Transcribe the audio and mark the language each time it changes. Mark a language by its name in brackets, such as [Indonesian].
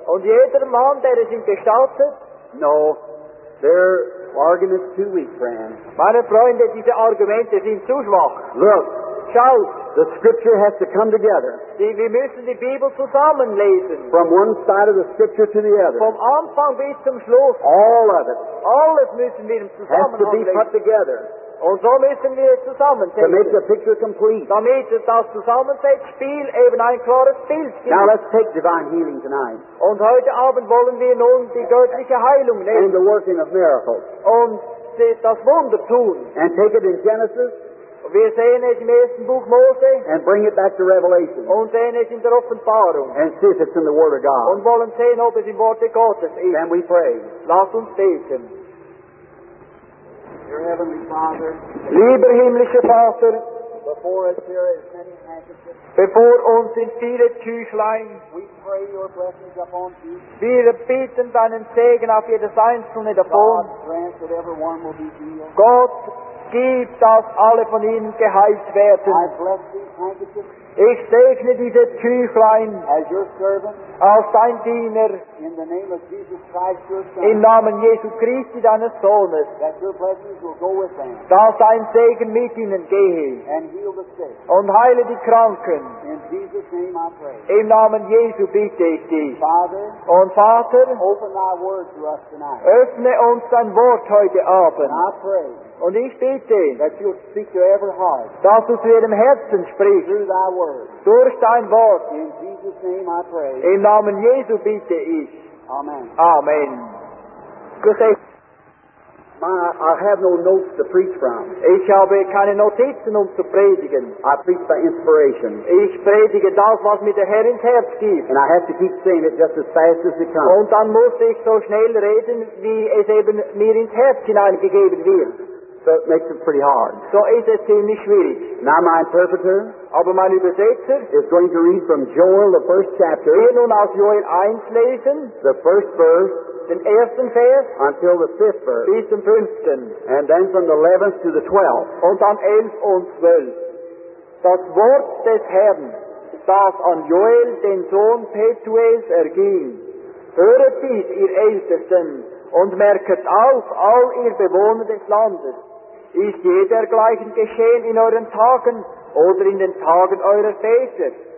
[German] Und jeder Mann, der es ihm gestattet. [English] No, their argument is too weak, friend. [German] Meine Freunde, diese Argumente sind zu schwach. [English] Look. [German] Schau. [English] The scripture has to come together. [German] Wir müssen die Bibel zusammen lesen. [English] From one side of the scripture to the other. [German] Vom Anfang bis zum Schluss. [English] All of it. [German] Alles müssen wir zusammen lesen. [English] Has to be put together. [German] Und so müssen wir es zusammen lesen. [English] To make the picture complete. [German] Damit es das Zusammenspiel eben ein klares Bild gibt. [English] Now let's take divine healing tonight. [German] Und heute Abend wollen wir nun die göttliche Heilung nehmen. [English] And the working of miracles. [German] Und das Wunder tun. [English] And take it in Genesis. [German] Wir sehen es im ersten Buch Mose. [English] And bring it back to Revelation. [German] Und sehen es in der Offenbarung. [English] And see if it's in the Word of God. [German] Und wollen sehen, ob es im Wort Gottes ist. [English] Then we pray. [German] Lass uns beten. [English] Your Heavenly Father. [German] Lieber himmlischer Vater. [English] before us here as many handkerchiefs. [German] Before uns sind viele Tüchlein. [English] We pray your blessings upon each. [German] Wir beten deinen Segen auf jedes einzelne davon. [English] God grant that everyone will be healed. [German] Gott gib, dass alle von ihnen geheilt werden. [English] I bless these handkerchiefs. [German] Ich segne diese Tüchlein [English] as your servant, [German] als dein Diener [English] in the name of Jesus Christ, your son, [German] im Namen Jesu Christi, deines Sohnes, [English] that your blessings will go with them, [German] dass dein Segen mit ihnen gehe [English] and heal the sick, [German] und heile die Kranken. [English] In Jesus name I pray. [German] Im Namen Jesu bitte ich dich. [English] Father, [German] und Vater, [English] open thy word to us tonight. [German] Öffne uns dein Wort heute Abend. [English] And I pray. [German] Und ich bitte, [English] that you'll speak to every heart, [German] dass du zu jedem Herzen sprichst, [English] through thy word, [German] durch dein Wort. [English] In Jesus name I pray. [German] Im Namen Jesu bitte ich. [English] Amen. [German] Amen. [English] I have no notes to preach from. [German] Ich habe keine Notizen, zu predigen. [English] I preach by inspiration. [German] Ich predige das, was mir der Herr ins Herz gibt. [English] And I have to keep saying it just as fast as it comes. [German] Und dann muss ich so schnell reden, wie es eben mir ins Herz hineingegeben wird. [English] So it makes it pretty hard. [German] So ist es ziemlich schwierig. [English] Now my interpreter, [German] aber mein Übersetzer, [English] is going to read from Joel, the first chapter, [German] wir nun aus Joel 1 lesen, [English] the first verse, [German] den ersten Vers, [English] until the fifth verse, [German] bis zum fünften, [English] and then from the 11th to the 12th, [German] und dann 11 und 12. Das Wort des Herrn, das an Joel, den Sohn Petuels, erging. Höret dies, ihr Ältesten, und merket auf, all ihr Bewohner des Landes, ist je dergleichen geschehen in euren Tagen oder in den Tagen eurer Väter?